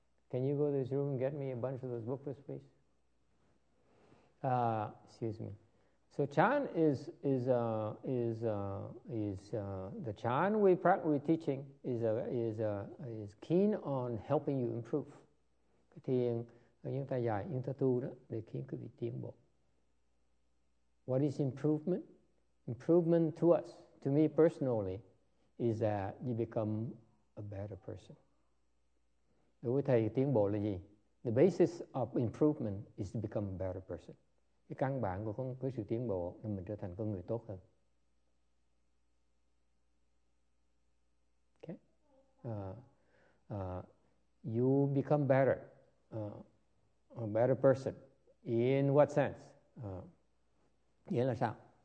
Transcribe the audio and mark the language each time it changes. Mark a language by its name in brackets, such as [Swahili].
[English] Can you go to this room and get me a bunch of those booklets, please? Excuse me. So Chan the Chan we're teaching is keen on helping you improve. [Vietnamese] Thiền chúng ta dạy, chúng ta tu đó để khiến quý vị tiến bộ. [English] What is improvement? Improvement to us, to me personally, is that you become a better person. [Vietnamese] Đối với thầy tiến bộ là gì? [English] The basis of improvement is to become a better person. [Vietnamese] Cái căn bản của con cái sự tiến bộ là mình trở thành con người tốt hơn. [English] Okay. You become better, a better person. In what sense? [Vietnamese] Nghĩa là sao?